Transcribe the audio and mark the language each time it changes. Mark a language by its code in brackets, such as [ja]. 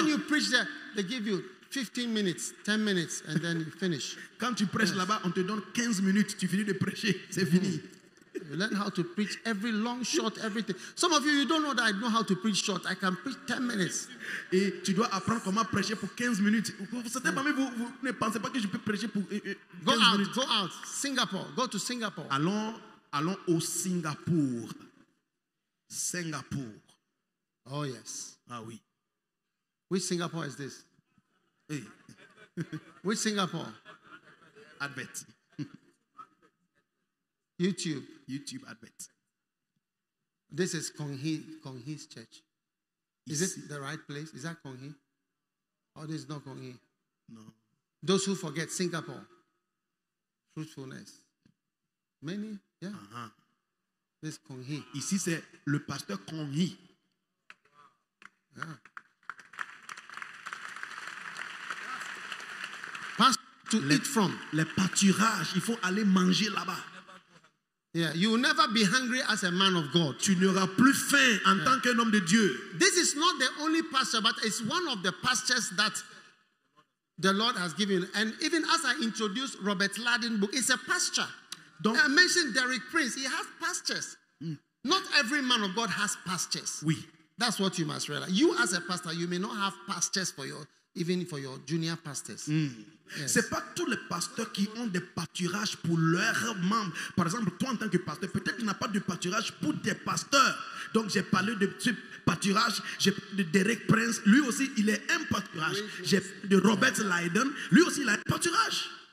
[en] When you preach there, they give you 15 minutes, 10 minutes, and then you finish. [fr] Quand tu prêches là-bas, on te donne 15 minutes. Tu finis de prêcher. C'est fini. [en] You learn how to preach every long, short, everything. Some of you, you don't know that I know how to preach short. I can preach 10 minutes. [fr] Et tu dois apprendre comment prêcher pour 15 minutes. Certains parmi vous, vous ne pensez pas que je peux prêcher pour 15 [en] go out, [fr] minutes. [en] Go out, Singapore. Go to Singapore. [fr] Allons, allons au Singapour. Singapour. [en] Oh, yes. [fr] Ah, oui. [en] Which Singapore is this? Hey. Which Singapore? Advert. YouTube. YouTube advert. This is Konghi's church. Is it the right place? Is that Konghi? Or this is not Konghi? No. Those who forget Singapore. Fruitfulness. Many? Yeah. Uh-huh. This is Konghi. [fr] Ici, c'est le pasteur Konghi. [en] Yeah. Pasture to eat from. [fr] Le pâturage. Il faut aller manger là-bas. [en] Yeah, you will never be hungry as a man of God. [fr] Tu n'auras plus faim en tant qu'un homme de Dieu. [en] This is not the only pasture, but it's one of the pastures that the Lord has given. And even as I introduced Robert Ladin's book, it's a pasture. [fr] Donc, [en] I mentioned Derek Prince. He has pastures. Not every man of God has pastures. [fr] Oui. [en] That's what you must realize. You as a pastor, you may not have pastures for your even for your junior pastors. Yes. [fr] C'est pas tous les pasteurs qui ont des pâturages pour leurs membres. Par exemple, toi en tant que pasteur, peut-être tu n'as pas de pâturage pour tes pasteurs. Donc j'ai parlé de ce pâturage, j'ai parlé de Derek Prince, lui aussi il est un pâturage. J'ai parlé de Robert Lydon, lui aussi il a un pâturage.